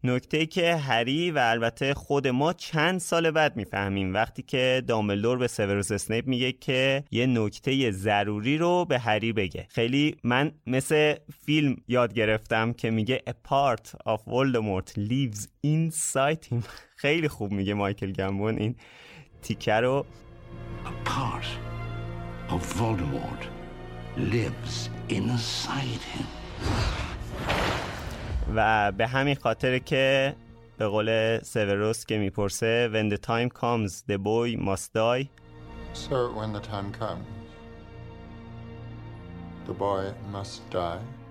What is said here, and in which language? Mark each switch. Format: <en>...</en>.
<fa>نکته که هری و البته خود ما چند سال بعد میفهمیم، وقتی که دامبلدور سیوروس اسنیپ میگه که یه نکته ضروری رو به هری بگه. خیلی من مثل فیلم یاد گرفتم که میگه</fa> <en>A part of Voldemort lives inside him.</en> <fa>خیلی خوب میگه مایکل گامبون این تیکه رو.</fa> <en>A part of Voldemort lives inside him.</en> <fa>و به همین خاطر که به قول سیوروس که میپرسه</fa> <en>When the time comes the boy must die. So when the time comes, the boy must die.</en>